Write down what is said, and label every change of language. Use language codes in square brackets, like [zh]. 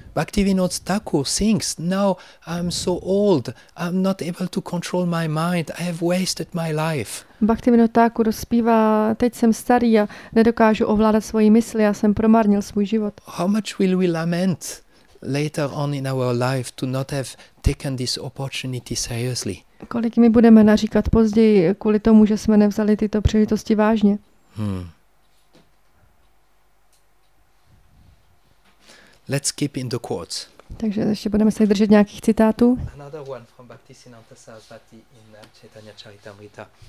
[en] Bhaktivinoda Thakur sings, now I'm so old, I'm not able to control my mind, I have wasted my life. [cs] Bhaktivinoda Thakur zpívá, teď jsem starý a nedokážu ovládat svoji mysli, já jsem promarnil svůj život. [en] How much will we lament later on in our life to not have taken this opportunity seriously? [cs] Kolik mi budeme naříkat později kvůli tomu, že jsme nevzali tyto příležitosti vážně? [en] Let's keep in the quotes. [cs] Takže ještě budeme se držet nějakých citátů. [en] Another one from Bhaktisiddhanta Sarasvati in Chaitanya Charitamrita.